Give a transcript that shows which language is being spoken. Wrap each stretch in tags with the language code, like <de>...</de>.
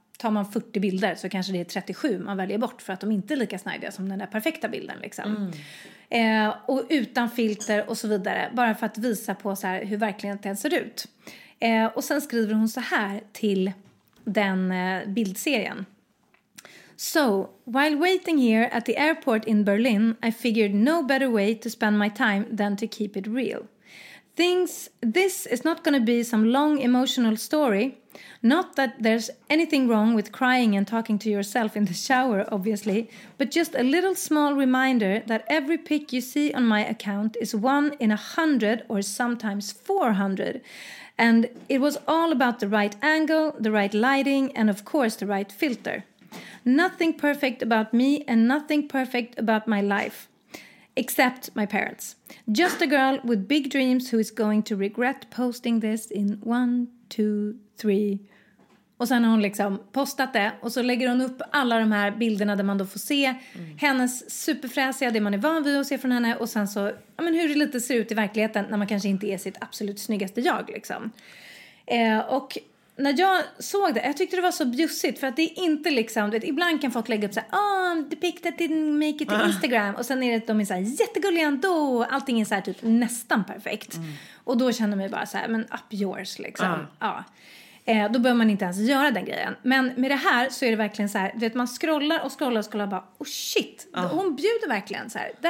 <sv>Tar man 40 bilder så kanske det är 37 man väljer bort, för att de inte är lika snajdiga som den där perfekta bilden liksom. Mm. Och utan filter och så vidare, bara för att visa på så här hur verkligen det ser ut. Och sen skriver hon så här till den bildserien.</sv> <en>So, while waiting here at the airport in Berlin, I figured no better way to spend my time than to keep it real. This is not going to be some long emotional story. Not that there's anything wrong with crying and talking to yourself in the shower, obviously, but just a little small reminder that every pic you see on my account is 1 in 100 or sometimes 400. And it was all about the right angle, the right lighting, and of course the right filter. Nothing perfect about me and nothing perfect about my life. Except my parents. Just a girl with big dreams who is going to regret posting this in 1, 2, 3.</en> <sv>Och sen har hon liksom postat det. Och så lägger hon upp alla de här bilderna där man då får se hennes superfräsiga, det man är van vid att se från henne. Och sen så, ja men hur det lite ser ut i verkligheten när man kanske inte är sitt absolut snyggaste jag liksom. Och när jag såg det, jag tyckte det var så bjussigt, för att det är inte liksom, du vet, ibland kan folk lägga upp såhär,</sv> <en>oh, the pic that didn't make it to Instagram,</en> <sv>och sen är det att de är såhär jättegulliga ändå, allting är såhär typ nästan perfekt, och då känner man ju bara såhär, men</sv> <en>up yours</en> <sv>liksom, då behöver man inte ens göra den grejen, men med det här så är det verkligen såhär, du vet, man scrollar och scrollar och scrollar och bara,</sv> <en>oh shit,</en> <sv>hon bjuder verkligen såhär,</sv>